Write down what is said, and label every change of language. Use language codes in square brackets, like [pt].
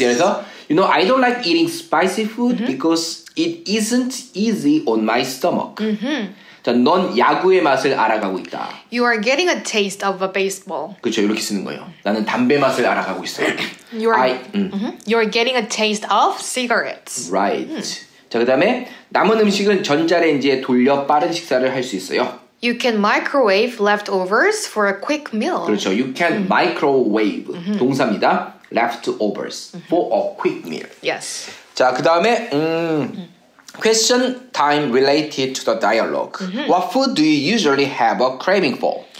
[ko] 그래서, [en] you know, I don't like eating spicy food because it isn't easy on my stomach. [ko] 자, 넌 야구의 맛을 알아가고 있다. [en] You are getting a taste of a baseball. [ko] 그렇죠, 이렇게 쓰는 거예요. 나는 담배 맛을 알아가고 있어요. [en] You are getting a taste of cigarettes. Right. [ko] 자, 그 다음에 남은 음식은 전자레인지에 돌려 빠른 식사를 할 수 있어요. [en] You can microwave leftovers for a quick meal. [ko] 그렇죠, [en] you can microwave. [ko] 동사입니다. [en] Leftovers for a quick meal. Yes. [ko] 자, 그 다음에 [en] Question time related to the dialogue. What food do you usually have a craving for?